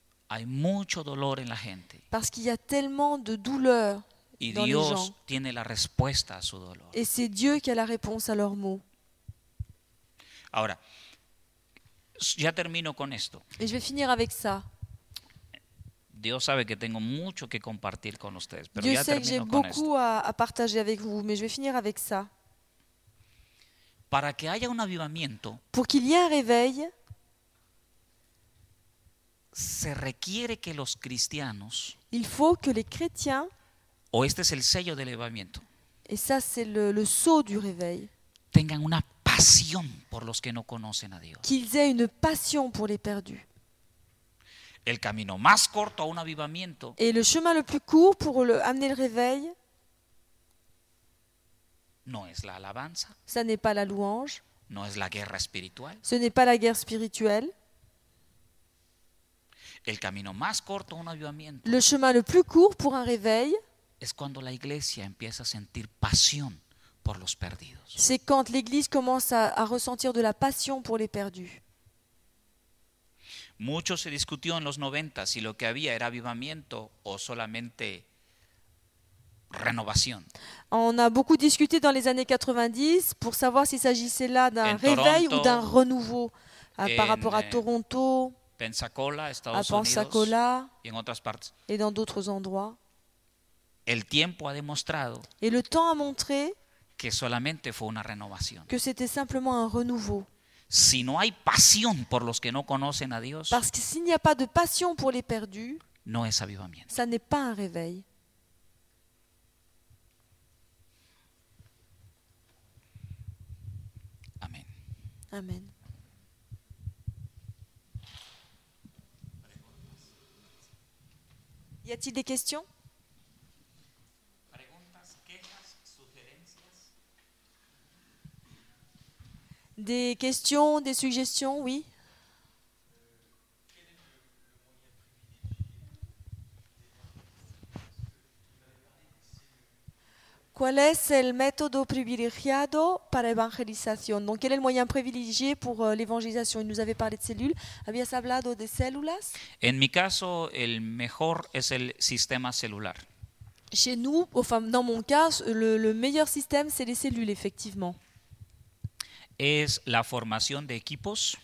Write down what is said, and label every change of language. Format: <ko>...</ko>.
<es>Hay mucho dolor en la gente.</es> <fr>Parce qu'il y a tellement de douleur dans les gens.</fr> <es>Y Dios tiene la respuesta a su dolor.</es> <fr>Et c'est Dieu qui a la réponse à leurs maux.</fr> <es>Ahora, ya termino con esto.</es> <fr>Et je vais finir avec ça.</fr> <es>Dios sabe que tengo mucho que compartir con ustedes, pero</es> <fr>Dieu</fr> <es>ya termino con esto.</es> <fr>Dieu sait que j'ai beaucoup à partager avec vous, mais je vais finir avec ça.</fr> <es>Para que haya un avivamiento.</es> <fr>Pour qu'il y ait un réveil.</fr> <es>Se requiere que los cristianos.</es> <fr>Il faut que les chrétiens.</fr> <es>O este es el sello del avivamiento.</es> <fr>Et ça c'est le sceau du réveil.</fr> <es>Tengan una pasión por los que no conocen a Dios.</es> <fr>Qu'ils aient une passion pour les perdus.</fr> <es>El camino más corto a un avivamiento.</es> <fr>Et le chemin le plus court pour amener le réveil.</fr> <es>No es la alabanza.</es> <fr>Ça n'est pas la louange.</fr> <es>No es la guerra espiritual.</es> <fr>Ce n'est pas la guerre spirituelle.</fr> <es>El camino más corto un avivamiento.</es> <fr>Le chemin le plus court pour un réveil.</fr> <es>Es cuando la iglesia empieza a sentir pasión por los perdidos.</es> <fr>C'est quand l'église commence à ressentir de la passion pour les perdus.</fr> <es>Mucho se discutió en los 90 si lo que había era avivamiento o solamente renovación.</es> <fr>On a beaucoup discuté dans les années 90 pour savoir s'il s'agissait là d'un réveil ou d'un renouveau par rapport à Toronto.</fr> <es>Pensacola, Estados Unidos, y en otras partes.</es> <fr>Et dans d'autres endroits.</fr> <es>El tiempo ha demostrado.</es> <fr>Et le temps a montré.</fr> <es>Que solamente fue una renovación.</es> <fr>Que c'était simplement un renouveau.</fr> <es>Si no hay pasión por los que no conocen a Dios.</es> <fr>Parce que s'il n'y a pas de passion pour les perdus.</fr> <es>No es avivamiento.</es> <fr>Ça n'est pas un réveil.</fr> <es>Amén. Amén.</es> <fr>Y a-t-il des questions?</fr> <es>Preguntas, quejas, sugerencias.</es> <fr>Des questions, des suggestions, oui. Quel est le moyen privilégié?</fr> <es>¿Cuál es el método privilegiado para evangelización?</es> <fr>Donc quel est le moyen privilégié pour l'évangélisation? Il nous avait parlé de cellules.</fr> <es>¿Habías hablado de células? En mi caso, el mejor es el sistema celular.</es> <fr>Chez nous, enfin dans mon cas, le meilleur système c'est les cellules effectivement.</fr> <es>Es la formación de equipos.</es>